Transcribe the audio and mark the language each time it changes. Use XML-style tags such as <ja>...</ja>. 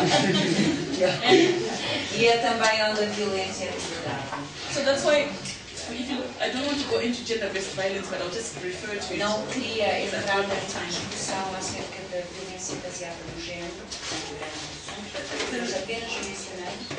<pt>E é também onde a violência é tolerada.</pt> <en>So that's why, I don't want to go into gender-based violence, but I'll just refer to it.</en> <pt>Não queria entrar na discussão acerca da violência baseada no género, mas apenas mencionei.</pt>